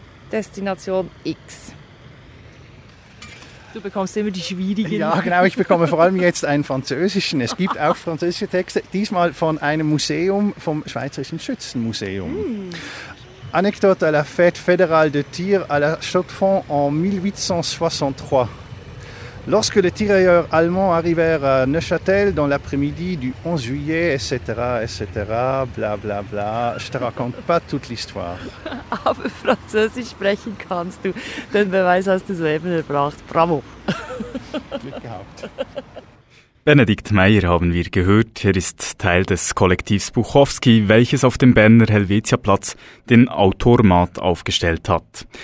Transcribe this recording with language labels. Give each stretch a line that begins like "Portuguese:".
German: Destination X. Du bekommst immer die schwierigen. Ja, genau, ich bekomme vor allem jetzt einen französischen. Es gibt auch französische Texte, diesmal von einem Museum, vom Schweizerischen Schützenmuseum. Hm.
French: Anecdote à la fête fédérale de tir à la Chaux-de-Fonds en 1863. Lorsque les tireurs allemands arrivèrent à Neuchâtel dans l'après-midi du 11 juillet, etc., etc., bla bla bla, je te raconte pas toute l'histoire.
German: Aber Französisch sprechen kannst du. Den Beweis hast du soeben erbracht. Bravo. Glück gehabt. Benedikt Meyer haben wir gehört. Er ist Teil des Kollektivs Buchowski, welches auf dem Berner Helvetiaplatz den Automat aufgestellt hat.